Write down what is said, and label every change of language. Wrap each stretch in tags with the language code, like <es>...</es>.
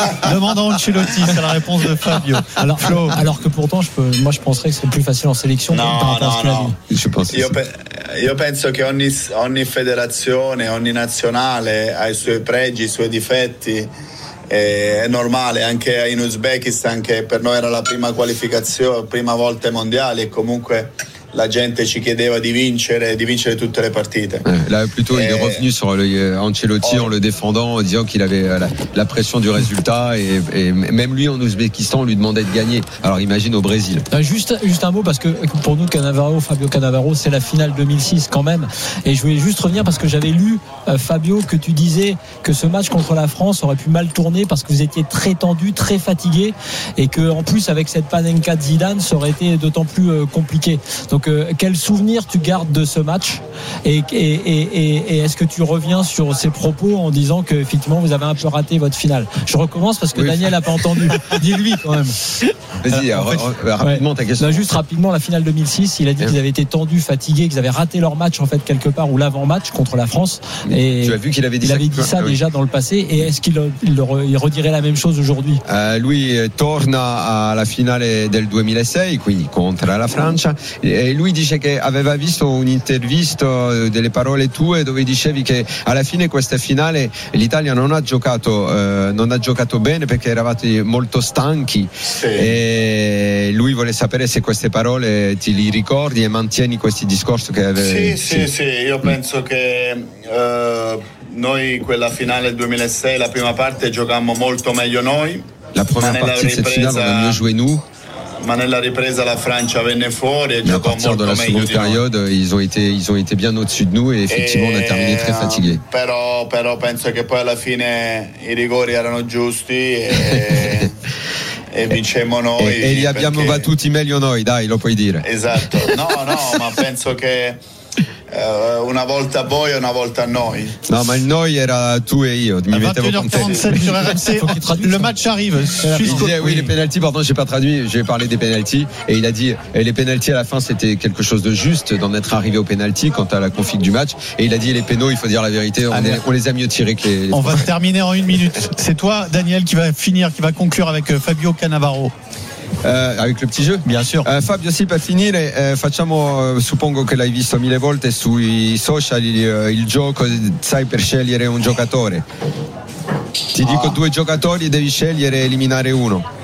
<fr>Demande à Ancelotti, c'est la réponse de Fabio. Alors, Flo. Alors que pourtant, je penserais que ce serait plus facile en sélection. Non, que non, non. Je pense.</fr> <it>Io penso che ogni federazione, ogni nazionale ha i suoi pregi, i suoi difetti. È normale. Anche in Uzbekistan, che per noi era la prima qualificazione, prima volta mondiale, e comunque. La gente ci chiedeva di vincere tutte le partite.</it> <fr>Là plutôt il est revenu sur Ancelotti en le défendant, en disant qu'il avait la pression du résultat et même lui en Ouzbékistan on lui demandait de gagner. Alors imagine au Brésil. Juste un mot parce que pour nous Cannavaro, Fabio Cannavaro, c'est la finale 2006 quand même. Et je voulais juste revenir parce que j'avais lu Fabio que tu disais que ce match contre la France aurait pu mal tourner parce que vous étiez très tendu, très fatigué et que en plus avec cette panenka de Zidane, ça aurait été d'autant plus compliqué. Donc, quel souvenir tu gardes de ce match et est-ce que tu reviens sur ces propos en disant que effectivement vous avez un peu raté votre finale? Je recommence parce que oui. Daniel n'a pas entendu. Dis-lui quand même. Vas-y, rapidement ta question. Non, juste rapidement, la finale 2006, il a dit qu'ils avaient été tendus, fatigués, qu'ils avaient raté leur match en fait quelque part ou l'avant-match contre la France. Et tu as vu qu'il avait dit ça. Il avait dit ça déjà dans le passé. Et est-ce qu'il il redirait la même chose aujourd'hui?</fr> <it>Lui torna à la finale del 2006, quindi</it> <fr>contre la France.</fr> <it>E lui dice che aveva visto un'intervista delle parole tue dove dicevi che alla fine questa finale l'Italia non ha giocato bene perché eravate molto stanchi. Sì. E lui vuole sapere se queste parole ti li ricordi e mantieni questi discorsi che avevi. Sì. Io penso che noi quella finale 2006, la prima parte giocammo molto meglio noi. La prima partita di questa finale non abbiamo giocato noi. ma nella ripresa la Francia venne fuori e giocò molto meglio. A partire dalla seconda</it> <fr>période, ils ont été bien au-dessus de nous et effectivement on a terminé très fatigué.</fr> <it>Però penso che poi alla fine i rigori erano giusti e vincemmo noi. E li abbiamo battuti meglio noi, dai, lo puoi dire. Esatto. No, ma penso che una volta voi e una volta noi. No, ma il noi era tu e io. Mi mettevo con te.</it> <fr>Le match arrive. Oui, les pénalties, pardon, j'ai pas traduit. J'ai parlé des pénalties. Et il a dit, et les pénalties à la fin, c'était quelque chose de juste d'en être arrivé aux pénalties quant à la config du match. Et il a dit, les pénaux, il faut dire la vérité, on les a mieux tirés que les. On va terminer en une minute. C'est toi, Daniel, qui va finir, qui va conclure avec Fabio Cannavaro. Avec le petit jeu, bien sûr.</fr> <it>Fabio, si per finire, facciamo, suppongo che l'hai visto mille volte sui social il gioco, sai, per scegliere un giocatore. Ti dico due giocatori, devi scegliere e eliminare uno.</it>